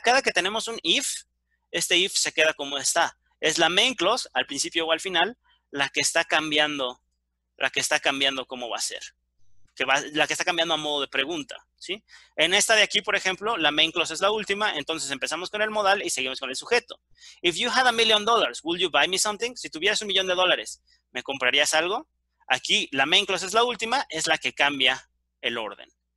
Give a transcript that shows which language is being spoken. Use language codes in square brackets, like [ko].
[es] Cada que tenemos un if, este if se queda como está. Es la main clause, al principio o al final, la que está cambiando, la que está cambiando cómo va a ser. Que va, la que está cambiando a modo de pregunta, ¿sí? En esta de aquí, por ejemplo, la main clause es la última, entonces empezamos con el modal y seguimos con el sujeto. [en] If you had $1,000,000, would you buy me something? [es] Si tuvieras $1,000,000, ¿me comprarías algo? Aquí, la main clause es la última, es la que cambia el orden.